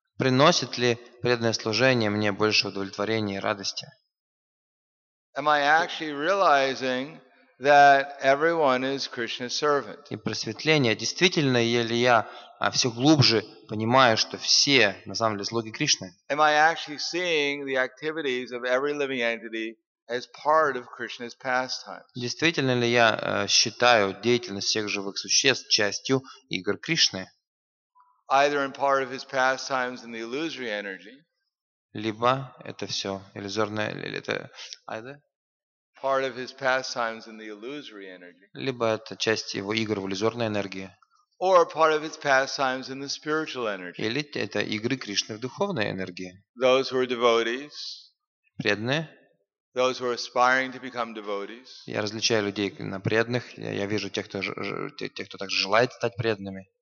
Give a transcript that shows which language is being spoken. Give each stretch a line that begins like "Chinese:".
Russian: Приносит ли преданное служение мне больше удовлетворения и радости?
English: Am I actually realizing that everyone is Krishna's servant?
Russian: И просветление, действительно ли я все глубже понимаю, что все на самом деле слуги Кришны?
English: Am I actually seeing the activities of every living entity as part of Krishna's pastimes?
Russian: Действительно ли я считаю деятельность всех живых существ частью игр Кришны?
English: Either in part of his pastimes in the illusory energy.
Russian: Либо это все иллюзорное, или это
English: either? Part of his pastimes in the illusory energy.
Russian: Либо это часть его игр в иллюзорной энергии.
English: Or part of its pastimes in the spiritual energy.
Russian: Или это игры Кришны в духовной энергии.
English: Those who are devotees.
Russian: Преданные.
English: Those who are aspiring to become devotees.
Russian: Я различаю людей на преданных. Я вижу тех, кто также желает стать преданными.